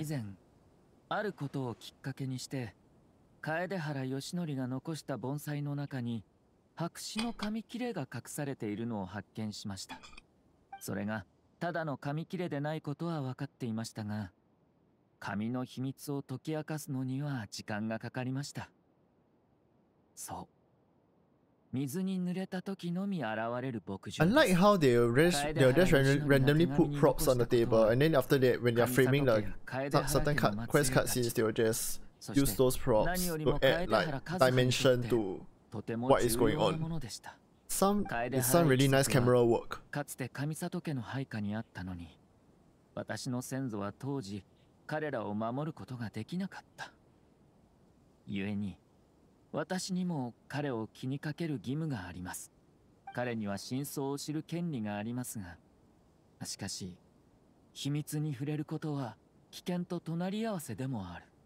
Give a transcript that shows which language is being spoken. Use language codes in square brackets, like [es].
[ja] 以前あることをきっかけにして楓原義則が残した盆栽の中に白紙の紙切れが隠されているのを発見しました。それがただの紙切れでないことは分かっていましたが、紙の秘密を解き明かすのには時間がかかりました。そう。水に濡れた時のみ現れる牧場。 [en] I like how they just randomly put props on the table, and then after that, when they're framing the certain quest cutscenes, they'll just use those props to add like dimension to what is going on. Some really nice camera work. [ja] かつて神里家の配下にあったのに、私の先祖は当時彼らを守ることができなかった。故に。私にも彼を気にかける義務があります。彼には真相を知る権利がありますが、しかし、秘密に触れることは危険と隣り合わせでもある。